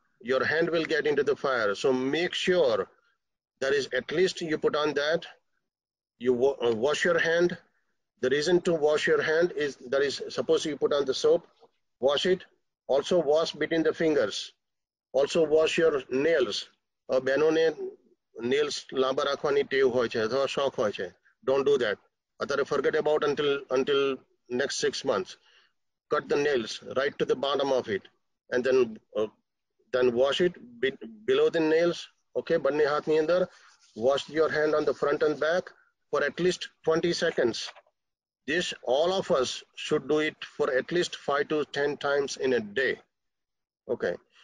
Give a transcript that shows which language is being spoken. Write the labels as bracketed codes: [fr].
[en] Your hand will get into the fire. So make sure there is at least you put on that. You wash your hand. The reason to wash your hand is there is, suppose you put on the soap, wash it. Also wash between the fingers. Also wash your nails. [gu] બેનોને nails લાંબા રાખવાની ટેવ હોય છે અથવા શોખ હોય છે, [en] Don't do that. અત્યારે forget about until next 6 months. Cut the nails right to the bottom of it and then then wash it below the nails, okay, [gu] banne haath ni andar, [en] wash your hand on the front and back for at least 20 seconds. This all of us should do it for at least 5 to 10 times in a day, okay.